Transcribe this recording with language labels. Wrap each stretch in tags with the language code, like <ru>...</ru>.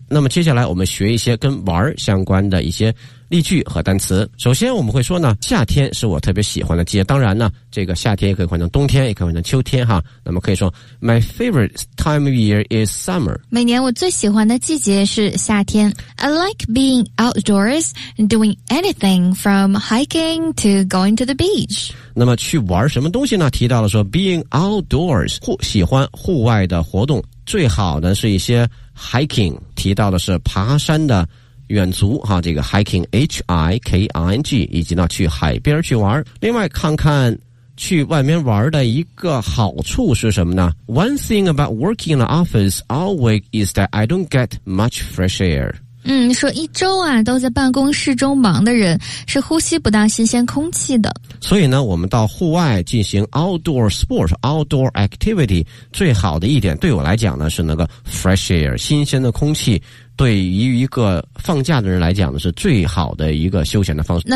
<zh>那么接下来我们学一些跟玩相关的一些例句和单词。首先我们会说呢，夏天是我特别喜欢的季节。当然呢，这个夏天也可以换成冬天，也可以换成秋天哈。那么可以说</zh> <en>My favorite time of year is summer，</en> <zh>每年我最喜欢的季节是夏天。</zh> <en>I like being outdoors and doing anything from hiking to going to the beach。</en> <zh>那么去玩什么东西呢，提到了说</zh> <en>being outdoors，</en> <zh>喜欢户外的活动，最好的是一些 hiking， 提到的是爬山的远足哈，这个 hiking H-I-K-I-N-G， 以及呢去海边去玩。另外看看去外面玩的一个好处是什么呢？</zh> <en>One thing about working in the office all week is that I don't get much fresh air。</en> <zh>嗯，说一周啊都在办公室中忙的人是呼吸不到新鲜空气的。所以呢我们到户外进行</zh> <en>outdoor sport outdoor activity，</en> <zh>最好的一点对我来讲呢是那个</zh> <en>fresh air，</en> <zh>新鲜的空气，对于一个放假的人来讲呢，是最好的一个休闲的方式。</zh>